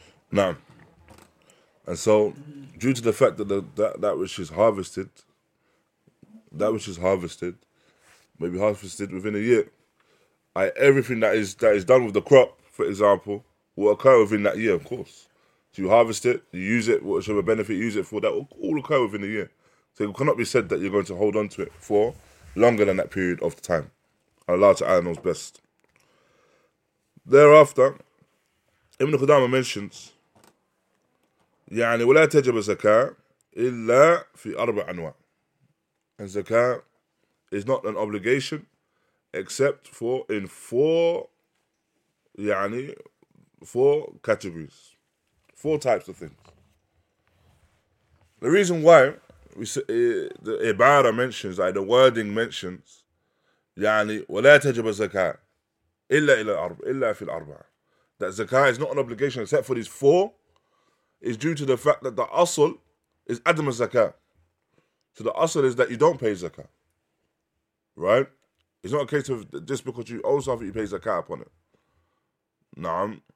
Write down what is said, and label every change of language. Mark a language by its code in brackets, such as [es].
[en] Now, and so, due to the fact that that which is harvested, may be harvested within a year, everything that is done with the crop, for example, will occur within that year, of course. So you harvest it, you use it, whichever benefit you use it for, that will all occur within a year. So it cannot be said that you're going to hold on to it for longer than that period of time. Allah Ta'ala knows best. Thereafter, Ibn Qudama mentions, [ar] يعني ولا تجب زكاة إلا في أربع أنواع. [en] And zakah is not an obligation except for in four categories, four types of things. The reason why the ibarah mentions, like the wording mentions, [ar] يعني ولا تجب الزكاة إلا إلى الأرب إلا في الأربعة. [en] That zakah is not an obligation except for these four, is due to the fact that the asl is adam zakah. So the asl is that you don't pay zakah, right? It's not a case of just because you owe something you pay zakah upon it. Naam.